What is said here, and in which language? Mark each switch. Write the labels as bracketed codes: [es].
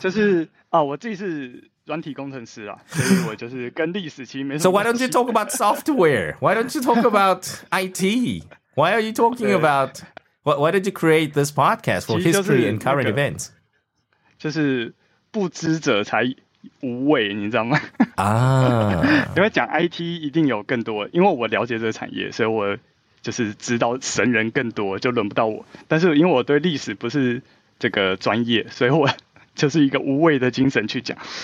[zh] 就是我自己是软体工程师啊，所以我就是跟历史其实没什么。 [en] So why don't you talk about software? Why don't you talk about IT? Why are you talking about why did you create this podcast for history and current events? [zh] 就是不知者才无畏，你知道吗？啊，因为讲 IT 一定有更多，因为我了解这个产业，所以我。就是知道神人更多，就轮不到我。但是因为我对历史不是这个专业，所以我就是一个无畏的精神去讲。